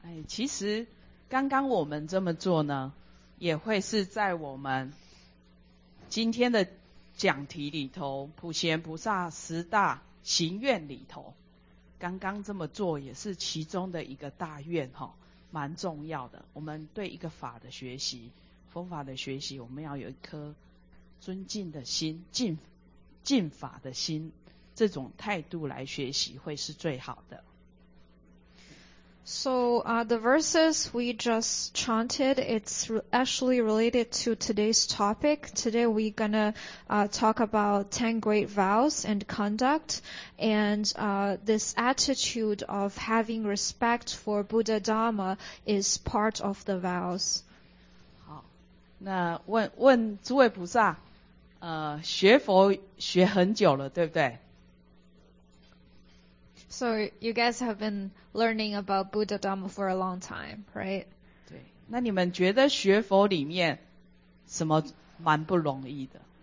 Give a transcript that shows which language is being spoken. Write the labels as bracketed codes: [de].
[zh] 其实刚刚我们这么做呢，也会是在我们今天的讲题里头，普贤菩萨十大行愿里头，刚刚这么做也是其中的一个大愿，蛮重要的。我们对一个法的学习，佛法的学习，我们要有一颗尊敬的心，敬法的心，这种态度来学习会是最好的。 [en] So, the verses we just chanted, it's actually related to today's topic. Today we're gonna, talk about 10 great vows and conduct, and, this attitude of having respect for Buddha Dharma is part of the vows. [zh] 好，那问诸位菩萨，学佛学很久了，对不对？ [en] So you guys have been learning about Buddha Dharma for a long time, right? [zh] 对，那你们觉得学佛里面什么蛮不容易的？